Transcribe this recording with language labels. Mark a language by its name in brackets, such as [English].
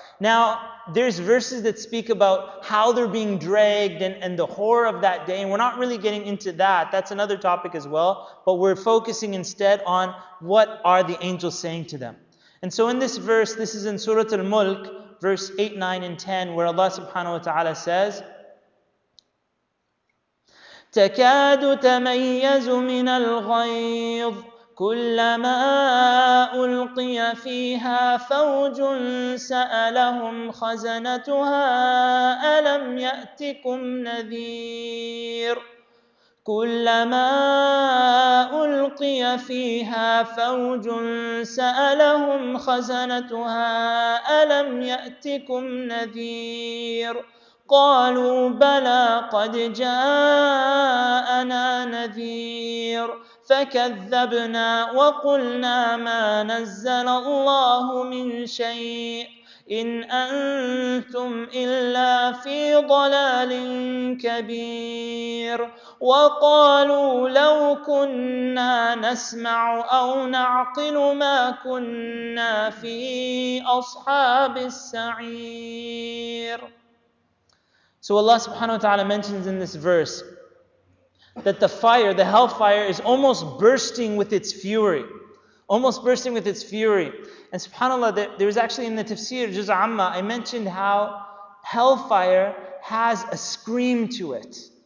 [English] Now, there's verses that speak about how they're being dragged and the horror of that day. And we're not really getting into that. That's another topic as well. But we're focusing instead on what are the angels saying to them. And so in this verse, this is in Surah Al-Mulk, verse 8, 9, and 10, where Allah subhanahu wa ta'ala says, [Arabic] تَكَادُ تَمَيَّزُ مِنَ الْغَيْظِ كلما ألقي فيها فوج سألهم خزنتها ألم يأتكم نذير كلما ألقي فيها فوج سألهم خزنتها ألم يأتكم نذير قالوا بلى قد جاءنا نذير فكذبنا وقلنا ما نزل الله من شيء إن أنتم إلا في ضلال كبير وقالوا لو كنا نسمع أو نعقل ما كنا في أصحاب السعير. [English] So Allah subhanahu wa ta'ala mentions in this verse that the fire, the hellfire, is almost bursting with its fury. Almost bursting with its fury. And subhanAllah, there was actually in the tafsir, Juz' Amma, I mentioned how hellfire has a scream to it.